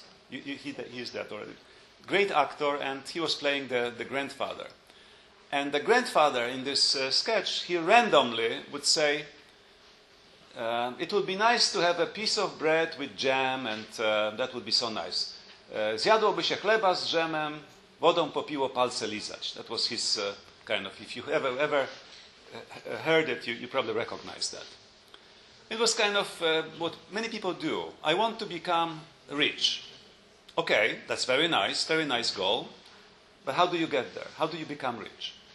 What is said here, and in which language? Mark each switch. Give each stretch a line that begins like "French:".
English: He is dead already. Great actor, and he was playing the grandfather. And the grandfather in this sketch, he randomly would say, it would be nice to have a piece of bread with jam, and that would be so nice.
Polish: Zjadłoby się chleba z dżemem, wodą popiło palce lizać.
English: That was his kind of, if you ever heard it, you probably recognize that. It was kind of what many people do. I want to become rich. Okay, that's very nice goal. But how do you get there? How do you become rich?